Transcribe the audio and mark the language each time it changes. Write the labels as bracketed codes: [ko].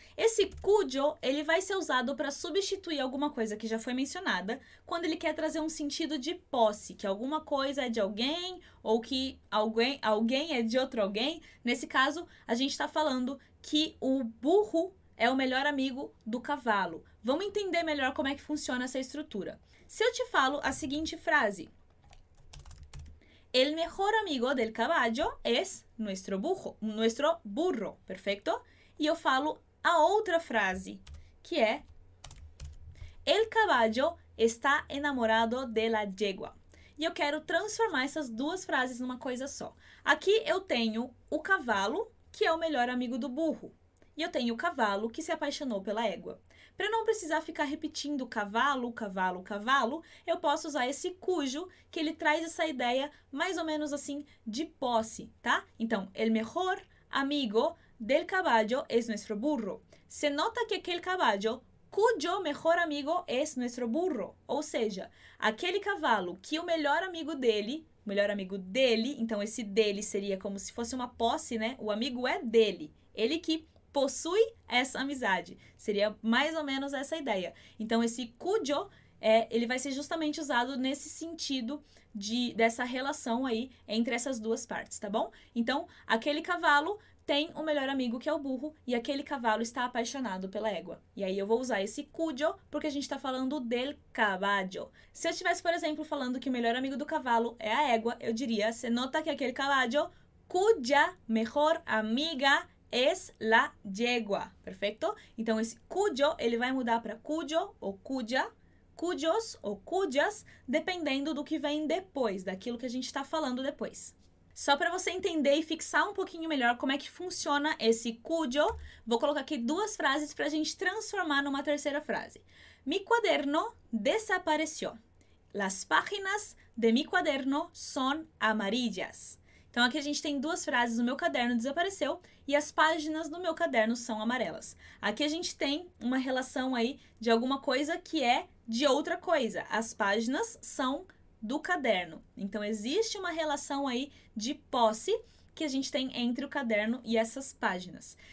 [pt] Esse cujo, ele vai ser usado para substituir alguma coisa que já foi mencionada quando ele quer trazer um sentido de posse, que alguma coisa é de alguém ou que alguém é de outro alguém. Nesse caso, a gente está falando que o burro é o melhor amigo do cavalo. Vamos entender melhor como é que funciona essa estrutura. Se eu te falo a seguinte frase... [es] El mejor amigo del caballo es nuestro burro, perfecto? [pt] E eu falo a outra frase, que é [es] El caballo está enamorado de la yegua. [pt] E eu quero transformar essas duas frases numa coisa só. Aqui eu tenho o cavalo, que é o melhor amigo do burro. E eu tenho o cavalo, que se apaixonou pela égua. Para não precisar ficar repetindo cavalo, cavalo, cavalo, eu posso usar esse cujo, que ele traz essa ideia mais ou menos assim de posse, tá? [es] Então, el mejor amigo del caballo es nuestro burro. Se nota que aquel caballo, cuyo mejor amigo es nuestro burro. [pt] Ou seja, aquele cavalo que o melhor amigo dele, então esse dele seria como se fosse uma posse, né? O amigo é dele, ele que possui essa amizade. Seria mais ou menos essa ideia. Então, esse cujo, ele vai ser justamente usado nesse sentido dessa relação aí entre essas duas partes, tá bom? Então, aquele cavalo tem o melhor amigo que é o burro e aquele cavalo está apaixonado pela égua. E aí eu vou usar esse cujo porque a gente está falando [es] del caballo. [pt] Se eu estivesse, por exemplo, falando que o melhor amigo do cavalo é a égua, eu diria, se nota que aquele caballo, [es] cuya mejor amiga es la yegua, [pt] perfeito? Então, esse cujo, ele vai mudar para cujo ou cuya, cujos ou cujas, dependendo do que vem depois, daquilo que a gente está falando depois. Só para você entender e fixar um pouquinho melhor como é que funciona esse cujo, vou colocar aqui duas frases para a gente transformar numa terceira frase. [es] Mi cuaderno desapareció. Las páginas de mi cuaderno son amarillas. [pt] Então, aqui a gente tem duas frases, o meu caderno desapareceu e as páginas do meu caderno são amarelas. Aqui a gente tem uma relação aí de alguma coisa que é de outra coisa. As páginas são do caderno. Então, existe uma relação aí de posse que a gente tem entre o caderno e essas páginas.